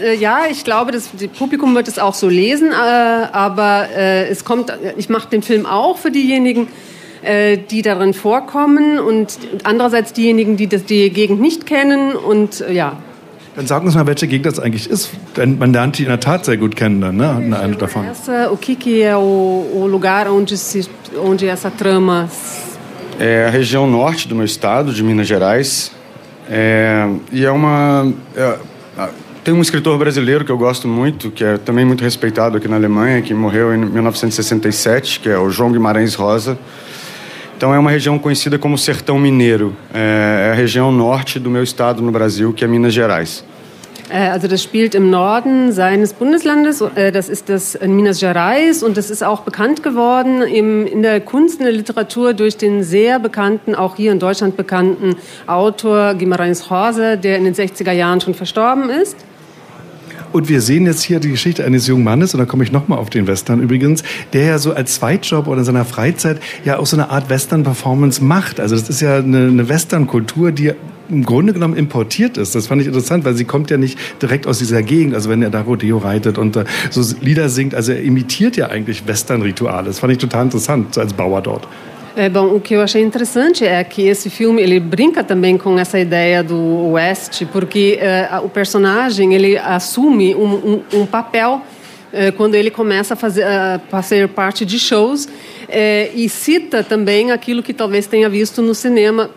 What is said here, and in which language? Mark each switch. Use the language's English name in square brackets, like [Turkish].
[German] Ja, ich glaube, das Publikum wird es auch so lesen, aber es kommt, ich mache den Film auch für diejenigen, die darin vorkommen und andererseits diejenigen, die die Gegend nicht kennen und ja. Dann sag uns mal, welche Gegend das eigentlich ist, denn man lernt die in der Tat sehr gut kennen dann, ne? Okay, eine davon. [Portuguese] O que é o lugar onde essa trama? É a região norte do meu estado, de Minas Gerais, e é uma tem um escritor brasileiro que eu gosto muito, que é também muito respeitado aqui na Alemanha, que morreu em 1967, que é o João Guimarães Rosa. Então é uma região conhecida como Sertão Mineiro. É a região norte do meu estado no Brasil, que é Minas Gerais. [German] Also das spielt im Norden seines Bundeslandes, das ist das in Minas Gerais und das ist auch bekannt geworden in der Kunst, in der Literatur durch den sehr bekannten, auch hier in Deutschland bekannten Autor Guimarães Rosa, der in den 60er Jahren schon verstorben ist. Und wir sehen jetzt hier die Geschichte eines jungen Mannes, und da komme ich nochmal auf den Western übrigens, der ja so als Zweitjob oder in seiner Freizeit ja auch so eine Art Western-Performance macht. Also das ist ja eine Western-Kultur, die im Grunde genommen importiert ist. Das fand ich interessant, weil sie kommt ja nicht direkt aus dieser Gegend. Also wenn er da Rodeo reitet und so Lieder singt, also er imitiert ja eigentlich Western-Rituale. Das fand ich total interessant, so als Bauer dort. [Portuguese] Bom, o que eu achei interessante é que esse filme, ele brinca também com essa ideia do Oeste, porque o personagem, ele assume um papel quando ele começa a fazer parte de shows e cita também aquilo que talvez tenha visto no cinema.